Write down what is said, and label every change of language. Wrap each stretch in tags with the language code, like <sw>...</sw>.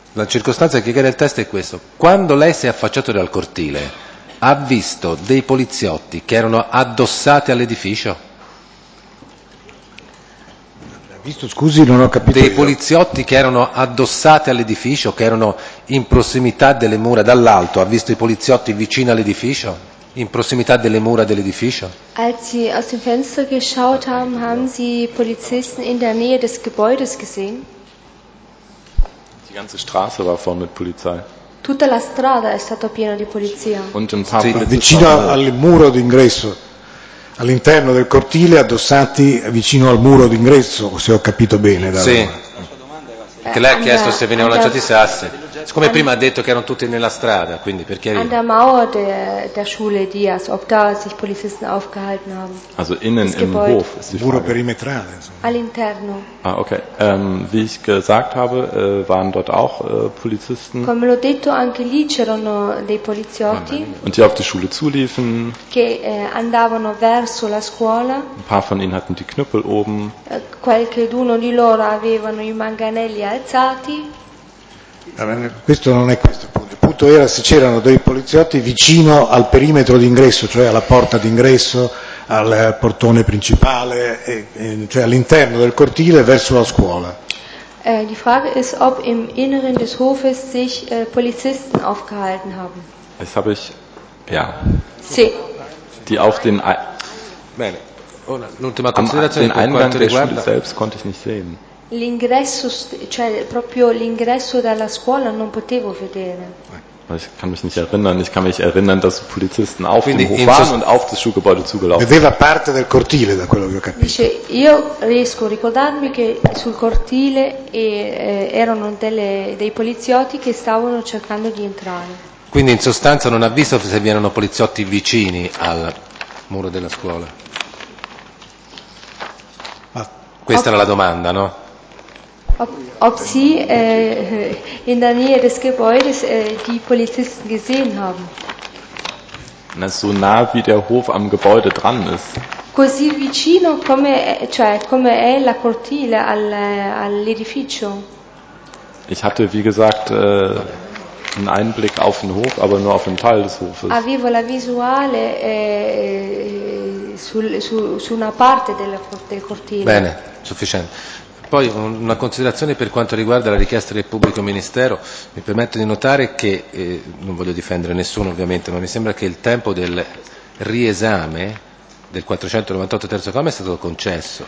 <it>La circostanza che chiede il test è questo: quando lei si è affacciato dal cortile, ha visto dei poliziotti che erano addossati all'edificio? Dei poliziotti che erano addossati all'edificio, che erano in prossimità delle mura dall'alto, ha visto i poliziotti vicino all'edificio? In prossimità delle mura dell'edificio?</it> <de>Als Sie aus dem Fenster geschaut haben, haben Sie Polizisten in der Nähe des Gebäudes gesehen? Die ganze Straße war voll mit Polizei.</de> <it>Tutta la strada è stata piena di polizia.</it> <de>Und ein paar</de> <it>vicino al muro d'ingresso, all'interno del cortile, addossati vicino al muro d'ingresso, se ho capito bene. Sì. Che lei ha chiesto se venivano lanciati sassi. Siccome prima ha detto che erano tutti nella strada, quindi per chiarire.</it> <de>An der Mauer der Schule Dias, ob da sich Polizisten aufgehalten haben. Also innen im Hof.</de> <it>Muro perimetrale. All'interno. Ah, okay.</it> <de>Wie ich gesagt habe, waren dort auch Polizisten.</de> <it>Come l'ho detto, anche lì c'erano dei poliziotti.</it> <de>Und die auf die Schule zuliefen.</de> <it>Che andavano verso la scuola.</it> <de>Ein paar von ihnen hatten die Knüppel oben.</de> <it>Qualcheduno di loro avevano i manganelli alzati. Questo non è questo punto. Il punto era se c'erano dei poliziotti vicino al perimetro d'ingresso, cioè alla porta d'ingresso, al portone principale, cioè all'interno del cortile verso la scuola.</it> <de>Die Frage ist, ob im Inneren des Hofes sich Polizisten aufgehalten haben. Das habe ich, ja.</de> <it>Sì.</it> <de>Die auf den.</de> <it>Bene. L'ultima considerazione.</it> <de>Den Eingang der Schule selbst konnte ich nicht sehen.</de> <it>L'ingresso, cioè proprio l'ingresso dalla scuola non potevo vedere.</it> <de>Ich kann mich nicht erinnern, ich kann mich erinnern, dass Polizisten auf dem Hof waren und auf das Schulgebäude zugelaufen.</de> <it>Vedeva parte del cortile, da quello che ho capito. Dice, io riesco a ricordarmi che sul cortile erano dei poliziotti che stavano cercando di entrare. Quindi in sostanza non ha visto se vi erano poliziotti vicini al muro della scuola. Questa era la domanda, no?</it> <de>Ob sie in der Nähe des Gebäudes die Polizisten gesehen haben. Na, so nah wie der Hof am Gebäude dran ist.</de> <it>Così vicino come, cioè come è la cortile all'edificio.</it> <de>Ich hatte, wie gesagt, einen Einblick auf den Hof, aber nur auf einen Teil des Hofes.</de> <it>Avevo la visuale su una parte del cortile. Bene, sufficiente. Poi una considerazione per quanto riguarda la richiesta del pubblico ministero. Mi permetto di notare che, non voglio difendere nessuno ovviamente, ma mi sembra che il tempo del riesame del 498 terzo comma è stato concesso.</it>